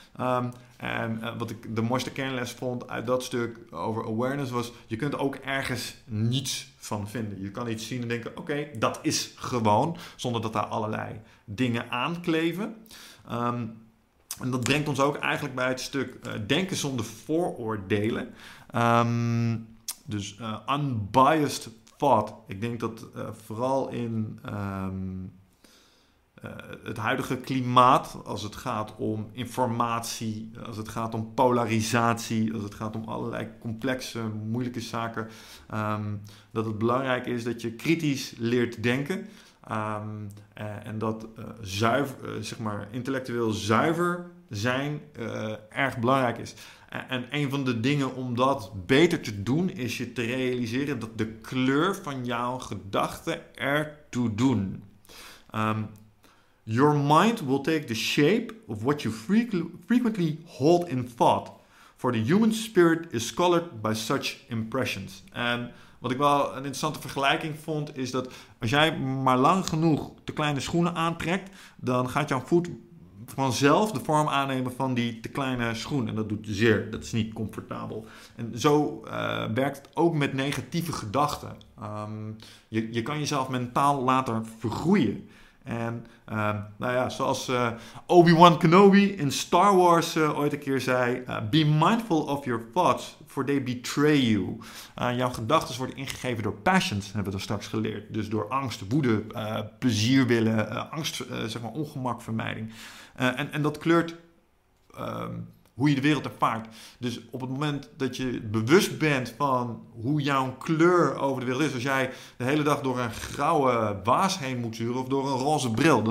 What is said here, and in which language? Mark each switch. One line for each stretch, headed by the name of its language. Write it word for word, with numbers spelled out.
Dutch: Um, en uh, wat ik de mooiste kernles vond uit dat stuk over awareness was... je kunt ook ergens niets van vinden. Je kan iets zien en denken, oké, okay, dat is gewoon. Zonder dat daar allerlei dingen aankleven. Um, en dat brengt ons ook eigenlijk bij het stuk uh, denken zonder vooroordelen. Um, dus uh,
English: unbiased thought.
Dutch: Ik denk dat uh, vooral in... Um, Uh, het huidige klimaat, als het gaat om informatie, als het gaat om polarisatie, als het gaat om allerlei complexe, moeilijke zaken, um, dat het belangrijk is dat je kritisch leert denken um, uh, en dat uh, zuiver, uh, zeg maar intellectueel zuiver zijn uh, erg belangrijk is. En, en een van de dingen om dat beter te doen is je te realiseren dat de kleur van jouw gedachten ertoe doen.
English: Um, Your mind will take the shape of what you frequently hold in thought. For the human spirit is colored by such impressions.
Dutch: En wat ik wel een interessante vergelijking vond, is dat als jij maar lang genoeg te kleine schoenen aantrekt, dan gaat jouw voet vanzelf de vorm aannemen van die te kleine schoen. En dat doet zeer, dat is niet comfortabel. En zo uh, werkt het ook met negatieve gedachten. Um, je, je kan jezelf mentaal laten vergroeien. En uh, nou ja, zoals uh, Obi-Wan Kenobi in Star Wars uh, ooit een keer zei...
English: Uh, be mindful of your thoughts, for they betray you.
Dutch: Uh, jouw gedachten worden ingegeven door passions, hebben we dat straks geleerd. Dus door angst, woede, uh, plezier willen, uh, angst, uh, zeg maar ongemak, vermijding. Uh, en, en dat kleurt uh, hoe je de wereld ervaart. Dus op het moment dat je bewust bent van hoe jouw kleur over de wereld is. Als jij de hele dag door een grauwe waas heen moet zuren of door een roze bril.